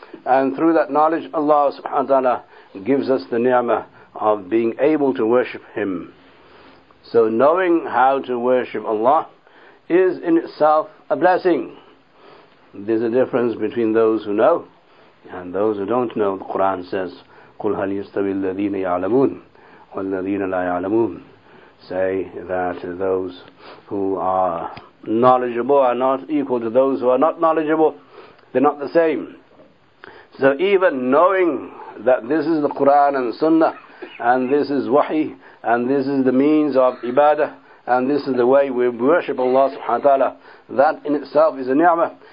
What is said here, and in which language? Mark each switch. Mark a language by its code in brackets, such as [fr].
[en] And through that knowledge, Allah subhanahu wa ta'ala gives us the ni'mah of being able to worship Him. So knowing how to worship Allah is in itself a blessing. There's a difference between those who know and those who don't know. The Quran says, [ar] قُلْ هَلْ يَسْتَوِي الَّذِينَ يَعْلَمُونَ وَالَّذِينَ لَا يَعْلَمُونَ. [en] Say that those who are knowledgeable are not equal to those who are not knowledgeable. They're not the same. So even knowing that this is the Quran and the Sunnah, and this is wahi, and this is the means of ibadah, and this is the way we worship Allah subhanahu wa ta'ala, that in itself is a ni'mah.